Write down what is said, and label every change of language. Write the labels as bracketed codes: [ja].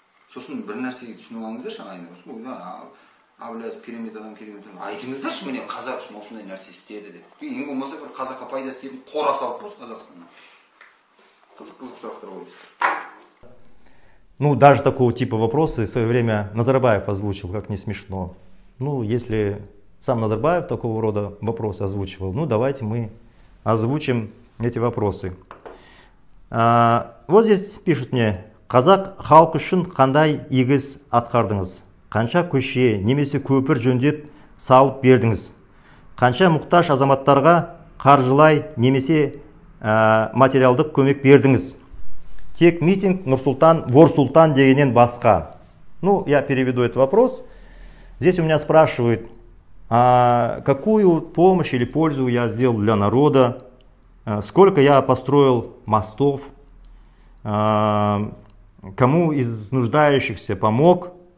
[kk] сосын бір нәрсеге түсініп алыңыздаршы айнұр сосын ойла Әбіләзім керемет адам керемет адам айтыңыздаршы міне қазақ үшін осындай нәрсе істеді деп ең болмаса бір қазаққа пайда істейтін қора салып қос қазақстанға қызық қызық сұрақтар қойыңыз. [ru] Ну, даже такого типа вопросы в свое время Назарбаев озвучил, как не смешно. Ну, если сам Назарбаев такого рода вопросы озвучивал, ну, давайте мы озвучим эти вопросы. А, вот здесь пишут мне, [kk] «Казак халк үшін қандай игіз атқардыңыз? Қанша көше немесе көпір жөндеп салып бердіңіз? Қанша мұқтаж азаматтарға қаржылай немесе материалдық көмек бердіңіз?» Тек митинг Нурсултан, Ворсултан дегенен басқа. [ru] Ну, я переведу этот вопрос. Здесь у меня спрашивают, а какую помощь или пользу я сделал для народа? Сколько я построил мостов? Кому из нуждающихся помог?